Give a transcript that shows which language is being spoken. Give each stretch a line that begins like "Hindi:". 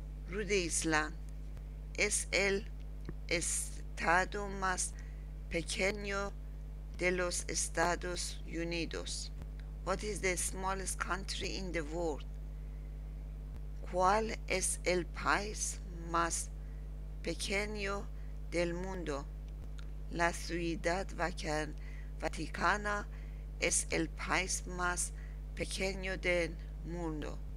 Spanish: Rhode Island es el estado más pequeño de los Estados Unidos.
English: What is the smallest country in the world?
Spanish: ¿Cuál es el país más pequeño del mundo? La Ciudad Vaticana es el país más pequeño del mundo.